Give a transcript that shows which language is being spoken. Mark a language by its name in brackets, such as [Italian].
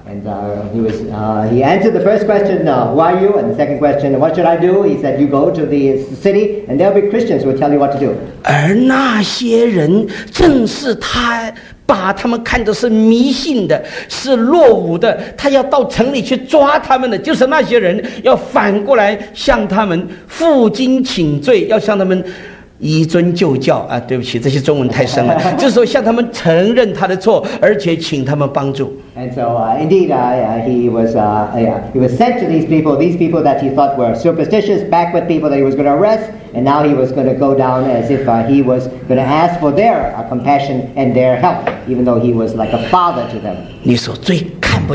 [English] And he answered the first question, who are you? And the second question, what should I do? He said, you go to the city, and there'll be Christians who will tell you what to do. [Chinese] 而那些人正是他。把他们看作是迷信的，是落伍的，他要到城里去抓他们的，就是那些人要反过来向他们负荆请罪，要向他们以尊就教啊！对不起，这些中文太深了，就是说向他们承认他的错，而且请他们帮助。 [English] And so indeed, he was sent to these people, that he thought were superstitious, backward people that he was going to arrest, and now he was going to go down as if he was going to ask for their compassion and their help, even though he was like a father to them.